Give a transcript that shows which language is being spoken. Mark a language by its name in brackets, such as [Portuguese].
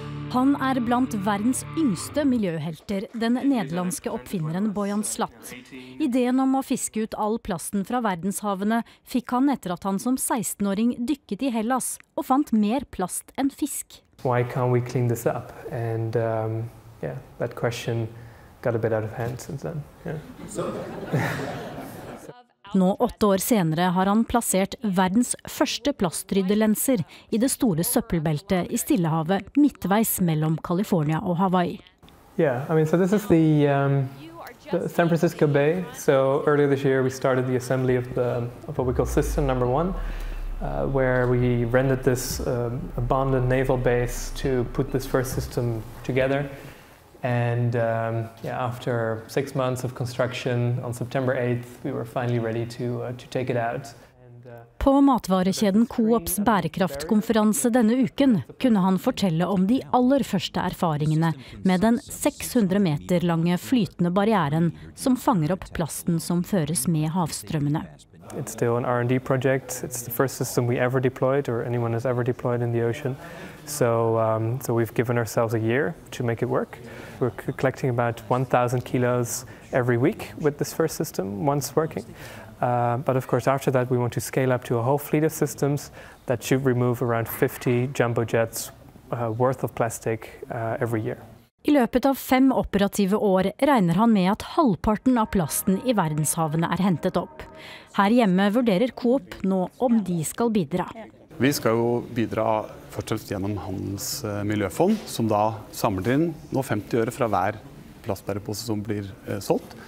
[Norwegian] Han er blant verdens yngste miljøhelter, den nederlandske oppfinneren Bojan Slat. Ideen om å fiske ut all plasten fra verdenshavene fikk han etter at han som 16-åring dykket i Hellas og fant mer plast enn fisk. [English] Why can't we clean this up? And yeah, that question got a bit out of hand since then. [Norwegian] Nå 8 år senere har han plassert verdens første plastryddelenser i det store søppelbeltet i Stillehavet, midtveis mellom California og Hawaii. [English] Yeah, I mean, so this is the San Francisco Bay. So earlier this year we started the assembly of what we call System Number 1, where we rented this abandoned naval base to put this first system together. And after 6 months of construction, on September 8th, we were finally ready to take it out. [Norwegian] På matvarekjeden Coops bærekraftkonferanse denne uken kunne han fortelle om de aller første erfaringene med den 600 meter lange flytende barrieren som fanger opp plasten som føres med havstrømmene. [English] It's still an R&D project. It's the first system we ever deployed or anyone has ever deployed in the ocean. So we've given ourselves a year to make it work. We're collecting about 1,000 kilos every week with this first system once working. But of course, after that, we want to scale up to a whole fleet of systems that should remove around 50 jumbo jets worth of plastic every year. [Norwegian] I løpet av 5 operative år regner han med at halvparten av plasten i verdenshavene er hentet opp. Her hjemme vurderer Coop nå om de skal bidra. Vi skal jo bidra fortsatt gjennom Handelsmiljøfond, som da samler inn nå 50 øre fra hver plastbærepose som blir solgt.